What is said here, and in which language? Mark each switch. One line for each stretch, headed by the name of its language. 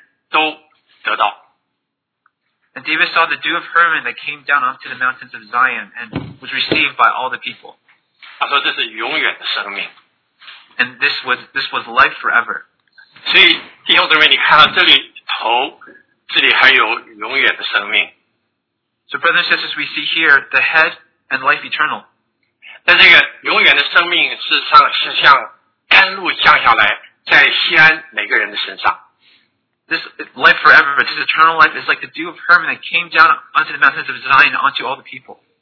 Chinese: 然后大卫也看见有那个黑门山的甘露降到了西安，每个在西安的人都得到。
English: And David saw the dew of Hermon that came down onto the mountains of Zion and was received by all the people.
Chinese: 他说这是永远的生命。
English: And this was life forever.
Chinese: 所以弟兄姊妹，你看到这里头，这里还有永远的生命。
English: So brothers and sisters, we see here the head and life eternal.
Chinese: 但这个永远的生命是像甘露降下来在西安每个人的身上。
English: This life forever, this eternal life is like the dew of Hermon that came down onto the mountains of Zion and onto all the people.